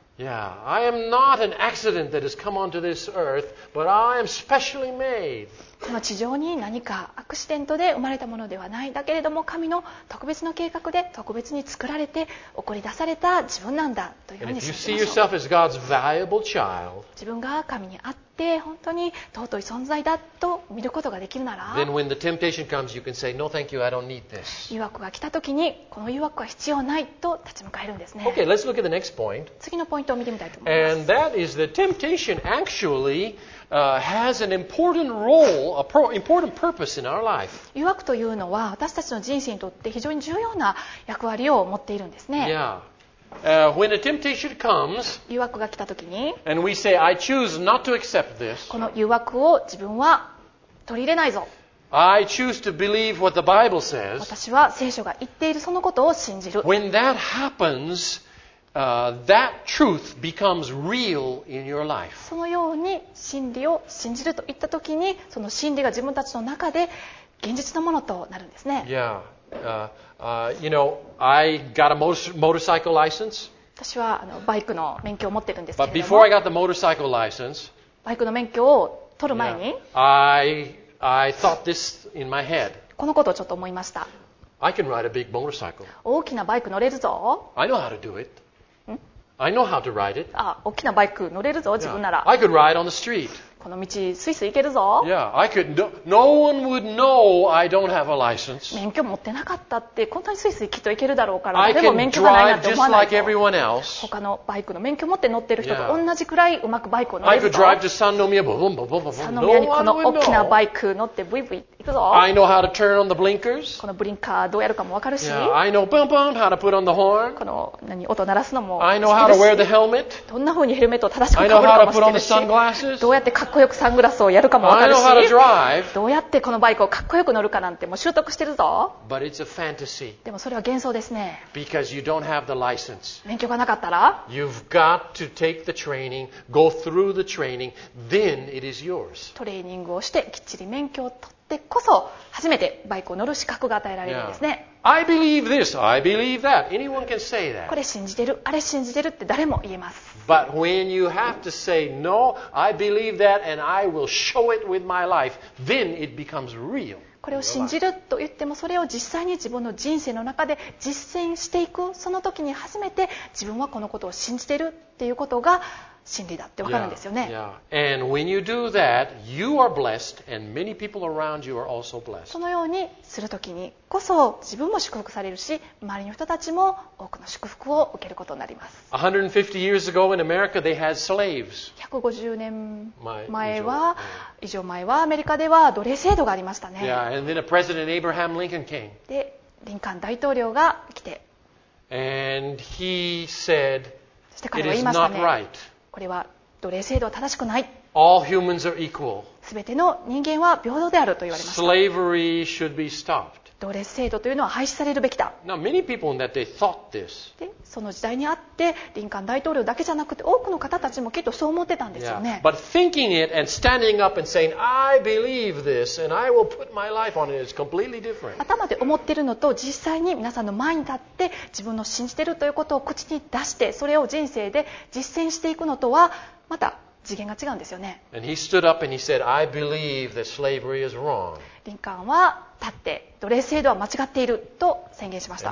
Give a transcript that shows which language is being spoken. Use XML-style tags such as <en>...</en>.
<en>Yeah, I am not an accident that has come onto this earth, but I am specially made.</en> <ja>この地上に何かアクシデントで生まれたものではない。だけれども神の特別の計画で特別に作られて送り出された自分なんだというふうに信じましょう。</ja> <en>And if you see yourself as God's valuable child,</en> <ja>自分が神にあって本当に尊い存在だと見ることができるなら、</ja> <en>Then when the temptation comes, you can say, No, thank you, I don't need this.</en> <ja>誘惑が来た時にこの誘惑は必要ないと立ち向かえるんですね。</ja> <en>Okay, let's look at the next point.</en> <ja>次のポイントを見てみたいと思います。</ja> <en>And that is the temptation actually,has an important role, a important purpose in our life.</en> <ja>誘惑というのは私たちの人生にとって非常に重要な役割を持っているんですね。</ja> <en>When a temptation comes,</en> <ja>誘惑が来た時に、</ja> <en>and we say, I choose not to accept this.</en> <ja>この誘惑を自分は取り入れないぞ。</ja> <en>I choose to believe what the Bible says.</en> <ja>私は聖書が言っているそのことを信じる。</ja> <en>When that happens,that truth becomes real in your life.</en> <ja>そのように真理を信じるといったときに、その真理が自分たちの中で現実のものとなるんですね。</ja> <en>Yeah. You know, I got a motorcycle license.</en> <ja>私はあのバイクの免許を持ってるんですけれども。</ja> <en>But before I got the motorcycle license,</en> <ja>バイクの免許を取る前に、</ja> <en>I thought this in my head.</en> <ja>このことをちょっと思いました。</ja> <en>I can ride a big motorcycle.</en> <ja>大きなバイク乗れるぞ。</ja> <en>I know how to do it. I know how to ride it.</en> <ja>あ、大きなバイク乗れるぞ、自分なら。</ja> <en>Yeah. I could ride on the street.</en> <ja>この道、スイスイ行けるぞ。</ja> <en>Yeah, I could. No one would know I don't have a license.</en> <ja>免許持ってなかったって、こんなにスイスイきっと行けるだろうから、でも免許がないなんて思わないぞ。</ja> <en>Just like everyone else.</en> <ja>他のバイクの免許持って乗ってる人と同じくらいうまくバイクを乗れるぞ。</ja> <en>I could drive to Sannomiya. Boom, boom, boom, boom, boom.</en> <ja>サンノミヤにこの大きなバイク乗ってブイブイ行くぞ。</ja> <en>I know how to turn on the blinkers.</en> <ja>このブリンカーどうやるかもわかるし。</ja> <en>Yeah, I know boom, boom, how to put on the horn.</en> <ja>この何音鳴らすのも知ってるし。</ja> <en>I know how to wear the helmet.</en> <ja>どんな風にヘルメットを正しくかぶるかも知ってるし。</ja> <en>I know how to put on the sunglasses.</en> <ja>どうやってかっこよくサングラスをやるかもわかるし。どうやってこのバイクをかっこよく乗るかなんてもう習得してるぞ。</ja> <en>But it's a fantasy.</en> <ja>でもそれは幻想ですね。</ja> <en>Because you don't have the license.</en> <ja>免許がなかったら。</ja> <en>You've got to take the training, go through the training, then it is yours.</en> <ja>トレーニングをしてきっちり免許を取ってこそ初めてバイクを乗る資格が与えられるんですね。</ja> <en>Yeah. I believe this. I believe that. Anyone can say that.</en> <ja>これ信じてる、あれ信じてるって誰も言えます。</ja> <en>But when you have to say no, I believe that and I will show it with my life, then it becomes real.</en> <ja>これを信じると言ってもそれを実際に自分の人生の中で実践していくその時に初めて自分はこのことを信じてるっていうことが真理だってわかるんですよね。</ja> <en>Yeah. And when you do that, you are blessed and many people around you are also blessed.</en> <ja>そのようにする時にこそ自分も祝福されるし周りの人たちも多くの祝福を受けることになります。</ja> <en>150 years ago in America, they had slaves.</en> <ja>150年前は以上前はアメリカでは奴隷制度がありましたね。</ja> <en>Yeah. And then a president, Abraham Lincoln, came.</en> <ja>で、リンカン大統領が来て</ja> <en>And he said,</en> <ja>そして彼は言いましたね。</ja> <en>It is not right.</en> <ja>これは奴隷制度は正しくない。</ja> <en>All humans are equal.</en> <ja>全ての人間は平等であると言われました。</ja> <en>Slavery should be stopped.</en> <ja>奴隷制度というのは廃止されるべきだ。</ja> <en>Now, many people in that day thought this.</en> <ja>で、その時代にあって、リンカン大統領だけじゃなくて、多くの方たちもきっとそう思ってたんですよね。</ja> <en>Yeah. But thinking it and standing up and saying, I believe this and I will put my life on it is completely different.</en> <ja>頭で思ってるのと、実際に皆さんの前に立って、自分の信じてるということを口に出して、それを人生で実践していくのとは、また次元が違うんですよね。</ja> <en>And he stood up and he said, I believe that slavery is wrong.</en> <ja>リンカンは立って奴隷制度は間違っていると宣言しました。</ja>